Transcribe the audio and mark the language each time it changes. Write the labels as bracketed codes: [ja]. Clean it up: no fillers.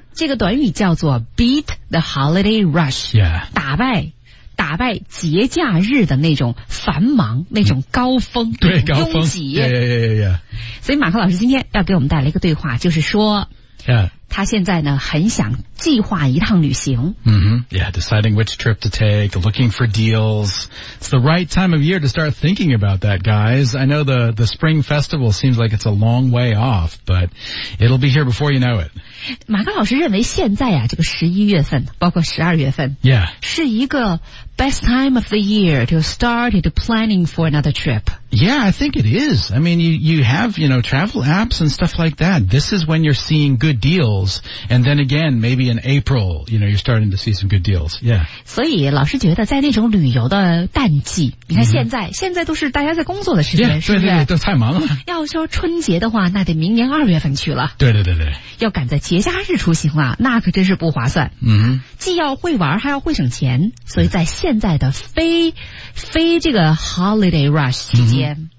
[zh] 这个短语叫做 beat the holiday rush、 [en] yeah. [zh] 打败节假日的那种繁忙，那种高峰、对，高峰拥挤。 [en] yeah. [zh] 所以马克老师今天要给我们带来一个对话，就是说、他现在呢很想计划一趟旅行、 [en] deciding which trip to take, looking for deals. It's the right time of year to start thinking about that, guys. I know the spring festival seems like it's a long way off, but it'll be here before you know it. [zh] 马克老师认为现在啊，这个11月份包括12月份、是一个 best time of the year to start planning for another trip. [en] Yeah, I think it is. I mean, you have, you know, travel apps and stuff like that. This is when you're seeing good deals. And then again, maybe in April, you know, you're starting to see some good deals. Yeah. [zh] 所以老师觉得在那种旅游的淡季，你看现在、现在都是大家在工作的时间、是不是？对，都太忙了。要说春节的话，那得明年二月份去了。对。要赶在节假日出行啊，那可真是不划算。既要会玩，还要会省钱，所以在现在的非这个 holiday rush 期间、